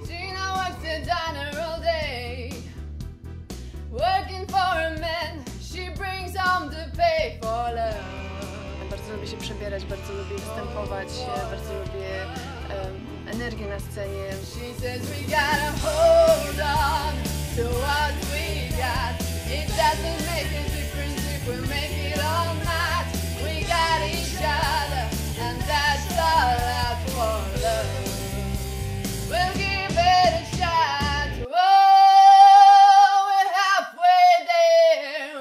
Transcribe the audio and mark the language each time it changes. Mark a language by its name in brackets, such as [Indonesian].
[English] Gina works the diner all day, working for a man, she brings home the pay for love. [Polish] Bardzo lubię się przebierać, bardzo lubię występować, bardzo lubię energię na scenie. [English] She says we gotta hold on to what we got. It doesn't make a difference if we make it all night. We got each other and that's all I want. We'll give it a shot. Oh, we're halfway there.